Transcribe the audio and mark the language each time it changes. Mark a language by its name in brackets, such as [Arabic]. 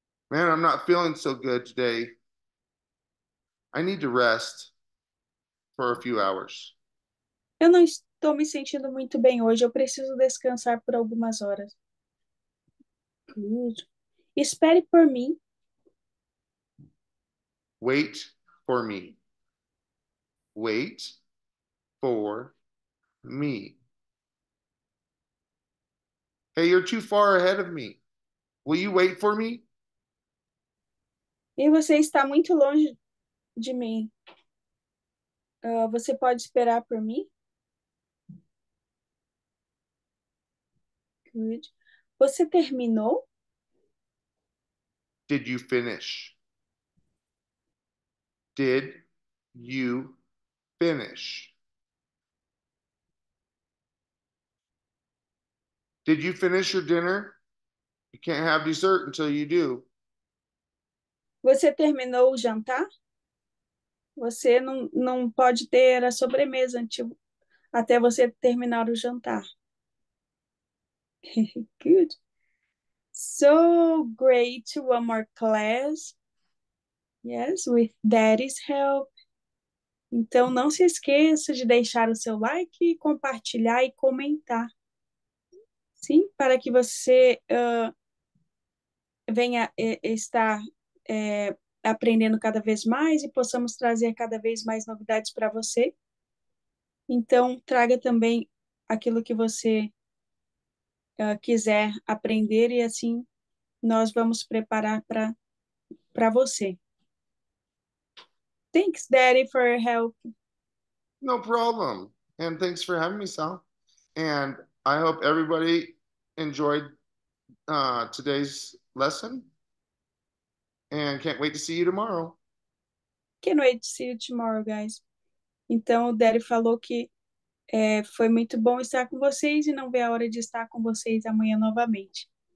[English] Man, I'm not feeling so good today. I need to rest for a few hours. [Portuguese] Eu não estou me sentindo muito bem hoje. Eu preciso descansar por algumas horas. [English] Good. [Portuguese] Espere por mim. [English] Wait for me. Wait for me. Hey, you're too far ahead of me. Will you wait for me? [Portuguese] E você está muito longe de mim. Você pode esperar por mim? [English] Good. [Portuguese] Você terminou? [English] Did you finish? Did you finish? Did you finish your dinner? You can't have dessert until you do. [Portuguese] Você terminou o jantar? Você não pode ter a sobremesa até você terminar o jantar. [English] Good. So great to one more class. Yes, with daddy's help. [Portuguese] Então, não se esqueça de deixar o seu like, compartilhar e comentar. Sim, para que você venha estar aprendendo cada vez mais e possamos trazer cada vez mais novidades para você. Então, traga também aquilo que você quiser aprender e assim nós vamos preparar para você. [English] Thanks, Daddy, for your help. No problem. And thanks for having me, Sal. And I hope everybody enjoyed today's lesson. And can't wait to see you tomorrow. Can't wait to see you tomorrow, guys. [Portuguese] Então, o Daddy falou que É, foi muito bom estar com vocês e não ver a hora de estar com vocês amanhã novamente.